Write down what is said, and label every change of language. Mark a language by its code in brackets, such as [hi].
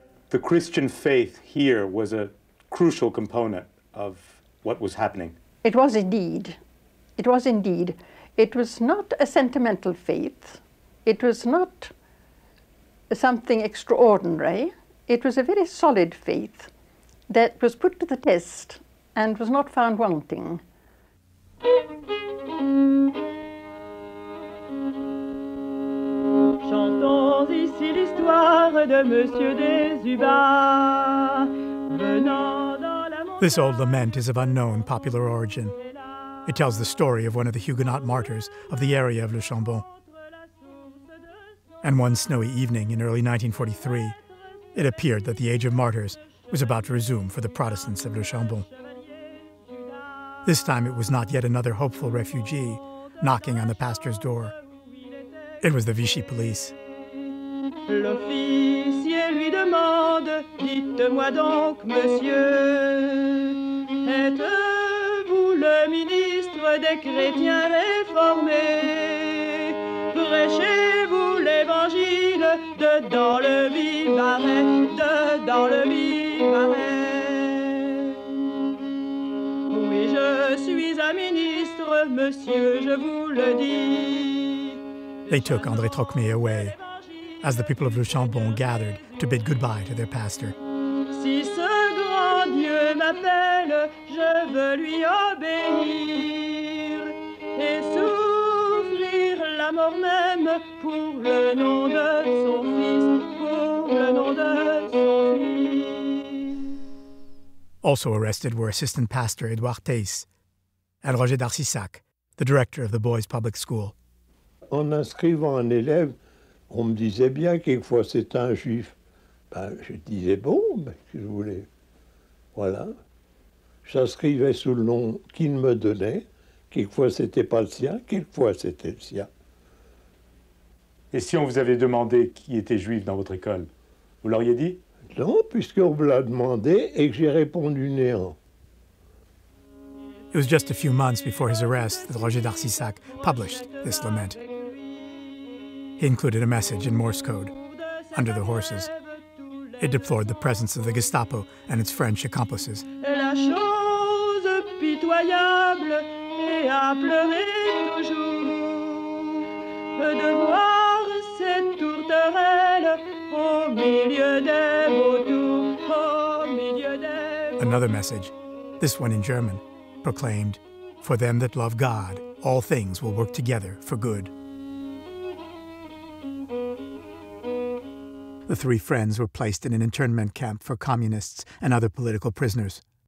[en] The Christian faith here was a crucial component of what was happening. It was indeed. It was indeed. It was not a sentimental faith. It was not something extraordinary. It was a very solid faith that was put to the test and was not found wanting. [fr] Chantons ici l'histoire de Monsieur des Uvas, venant dans la montagne. [en] This old lament is of unknown popular origin. It tells the story of one of the Huguenot martyrs of the area of Le Chambon. And one snowy evening in early 1943, it appeared that the Age of Martyrs was about to resume for the Protestants of Le Chambon. This time it was not yet another hopeful refugee knocking on the pastor's door. It was the Vichy police. [fr] L'officier lui demande, dites-moi donc, monsieur, êtes-vous le ministre des chrétiens réformés? Prêchez-vous l'évangile dedans le Vivarais, dedans le Vivarais. Oui, je suis un ministre, monsieur, je vous le dis. [en] They took André Troquemille away, as the people of Le Chambon gathered to bid goodbye to their pastor. [fr] Si ce grand Dieu m'appelle, je veux lui obéir et souffrir la mort même pour le nom de son fils, pour le nom de son fils. [en] Also arrested were assistant pastor Edouard Theis and Roger Darcissac, the director of the boys' public school. [fr] En inscrivant un élève, on me disait bien quelquefois c'était un juif. Ben, je disais bon, mais que je voulais. Voilà. J'inscrivais sous le nom qu'il me donnait. Quelquefois c'était pas le sien, quelquefois c'était le sien. Et si on vous avait demandé qui était juif dans votre école, vous l'auriez dit? Non, puisqu'on me l'a demandé et que j'ai répondu néant. [en] It was just a few months before his arrest that Roger Darcissac published this lament. He included a message in Morse code, under the horses. It deplored the presence of the Gestapo and its French accomplices. [fr] La chose pitoyable et à pleurer toujours, de voir cette tourterelle au milieu des vautours, au milieu des vautours. [en] Another message, this one in German, proclaimed, for them that love God, all things will work together for good. The three friends were placed in an internment camp for communists and other political prisoners.